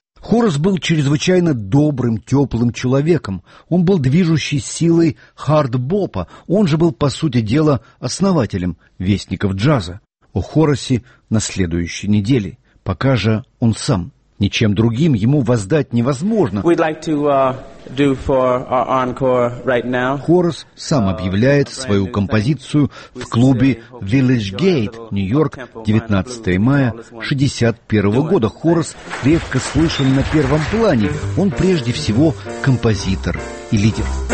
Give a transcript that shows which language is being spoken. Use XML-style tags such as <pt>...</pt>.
<ru>Хорас был чрезвычайно добрым, теплым человеком. Он был движущей силой хард-бопа. Он же был, по сути дела, основателем вестников джаза. О Хорасе на следующей неделе. Пока же он сам. Ничем другим ему воздать невозможно.</ru> <en>We'd like to, do for our encore right now.</en> <ru>Хорас сам объявляет свою композицию в клубе Village Gate, Нью-Йорк, 19 мая 61 года. Хорас редко слышен на первом плане. Он прежде всего композитор и лидер.</ru>